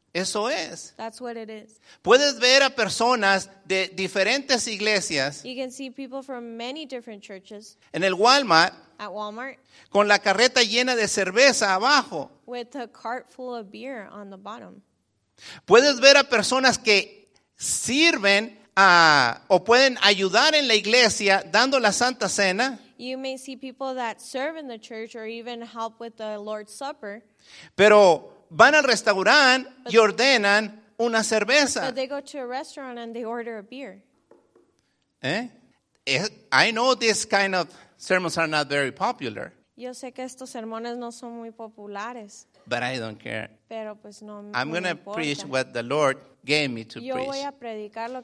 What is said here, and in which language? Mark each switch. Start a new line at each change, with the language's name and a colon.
Spanish: Eso es.
English: That's what it is.
Spanish: Puedes ver a personas de diferentes iglesias.
English: You can see people from many different churches.
Spanish: En el Walmart.
English: At Walmart.
Spanish: Con la carreta llena de cerveza abajo.
English: With a cart full of beer on the bottom.
Spanish: Puedes ver a personas que sirven a, o pueden ayudar en la iglesia dando la Santa Cena.
English: You may see people that serve in the church or even help with the Lord's Supper.
Spanish: Pero van al restaurante y ordenan una cerveza.
English: But they go to a restaurant and they order a beer. I know this kind of sermons are not very popular.
Spanish: Yo sé que estos sermones no son muy populares.
English: But I don't care.
Spanish: Pero pues no,
English: I'm
Spanish: no
English: going to preach what the Lord gave me to preach.